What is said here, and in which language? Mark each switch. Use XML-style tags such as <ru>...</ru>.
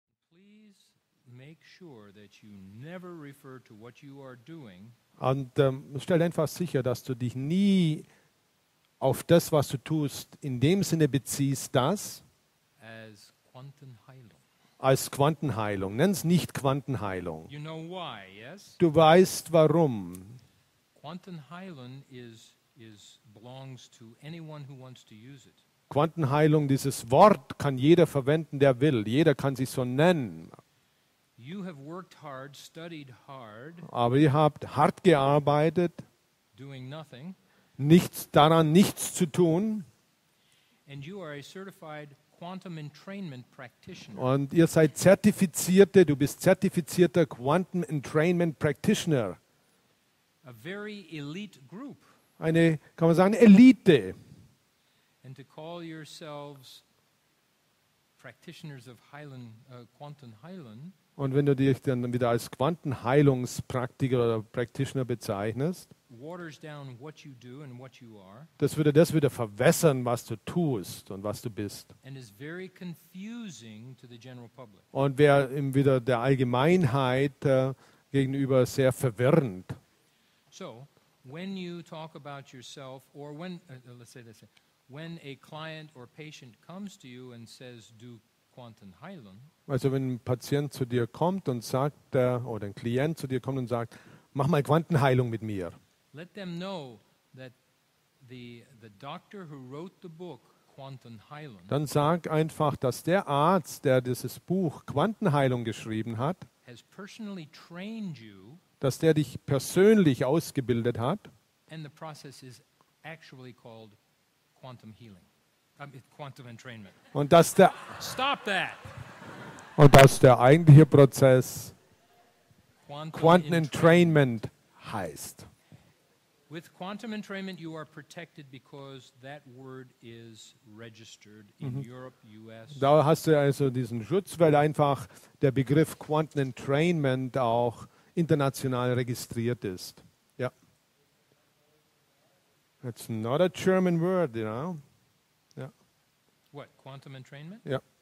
<en>Always make sure that you never refer to what you are doing.</en> <de>Und stell einfach sicher, dass du dich nie auf das, was du tust, in dem Sinne beziehst, dass</de> <en>as Quantenheilung.</en> <de>Als Quantenheilung. Nenn es nicht Quantenheilung.</de> <en>You know why, yes?</en> <de>Du weißt warum. Quantenheilung belongs to anyone who wants to use it. Quantenheilung, dieses Wort kann jeder verwenden, der will. Jeder kann sich so nennen.</de> <en>You have worked hard, studied hard,</en> <de>aber ihr habt hart gearbeitet,</de> <en>doing nothing,</en> <de>nichts daran, nichts zu tun.</de> <en>And you are a certified quantum entrainment practitioner.</en> <de>Und ihr seid zertifizierte, du bist zertifizierter Quantum Entrainment Practitioner.</de> <en>A very elite group.</en> <de>Eine, kann man sagen, Elite.</de> <en>And to call yourselves practitioners of Heilung, Quantenheilung.</en> <de>Und wenn du dich dann wieder als Quantenheilungspraktiker oder Practitioner bezeichnest,</de> <en>waters down what you do and what you are,</en> <de>das würde das wieder verwässern, was du tust und was du bist.</de> <en>And is very confusing to the general public.</en> <de>Und wäre eben wieder der Allgemeinheit gegenüber sehr verwirrend.</de> <en>So, when you talk about yourself or when, let's say this, when a client or patient comes to you and says, do Quantenheilung.</en> <de>Also wenn ein Patient zu dir kommt und sagt, oder ein Klient zu dir kommt und sagt, mach mal Quantenheilung mit mir.</de> <en>Let them know that the doctor who wrote the book, Quantenheilung,</en> <de>dann sag einfach, dass der Arzt, der dieses Buch Quantenheilung geschrieben hat,</de> <en>has personally trained you,</en> <de>dass der dich persönlich ausgebildet hat.</de> <en>And the process is actually called quantum healing. Quantum entrainment.</en> <de>Und dass der</de> <en>Stop that.</en> <de>Und dass der eigentliche Prozess Quantum Entrainment heißt.</de> <en>With Quantum Entrainment you are protected because that word is registered in Europe, US.</en> <de>Da hast du also diesen Schutz, weil einfach der Begriff Quantum Entrainment auch international registriert ist.</de> <en>Ja. Yeah. It's not a German word, you know. What, quantum entrainment?</en> <de>Ja.</de>